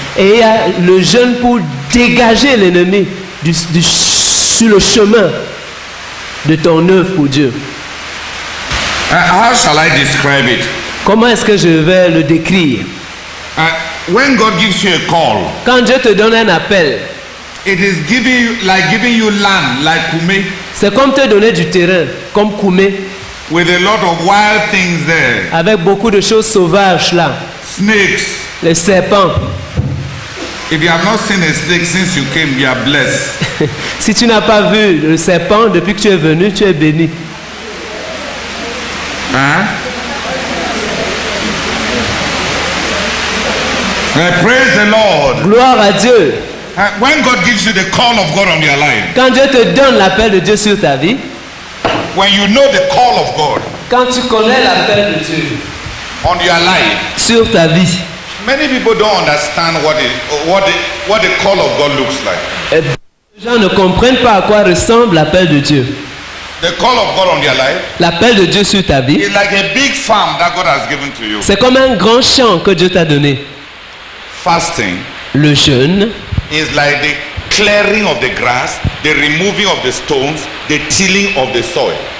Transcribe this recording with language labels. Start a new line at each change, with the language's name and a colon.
French: Et il y a le jeûne pour dégager l'ennemi sur le chemin de ton œuvre pour Dieu.
English: How shall I describe it?
French: Comment est-ce que je vais le décrire?
English: When God gives you a call,
French: quand Dieu te donne un appel,
English: it is giving you, like giving you land, like Kume.
French: C'est comme te donner du terrain, comme Kume.
English: With a lot of wild things there.
French: Avec beaucoup de choses sauvages là.
English: Snakes.
French: Les serpents.
English: If you have not seen a snake since you came, you are blessed.
French: Si tu n'as pas vu le serpent depuis que tu es venu, tu es béni. Hein?
English: Praise the Lord.
French: Gloire à Dieu.
English: When God gives you the call of God on your life.
French: Quand Dieu te donne l'appel de Dieu sur ta vie.
English: When you know the call of God.
French: Quand tu connais l'appel de Dieu.
English: On your life.
French: Sur ta vie.
English: Many people don't understand what the call of God looks like.
French: Et les gens ne comprennent pas à quoi ressemble l'appel de Dieu.
English: The call of God on your life.
French: L'appel de Dieu sur ta vie.
English: It's like a big farm that God has given to you.
French: C'est comme un grand champ que Dieu t'a donné.
English: Fasting,
French: le jeûne,
English: is like the clearing of the grass, the removing of the stones, the tilling of the soil.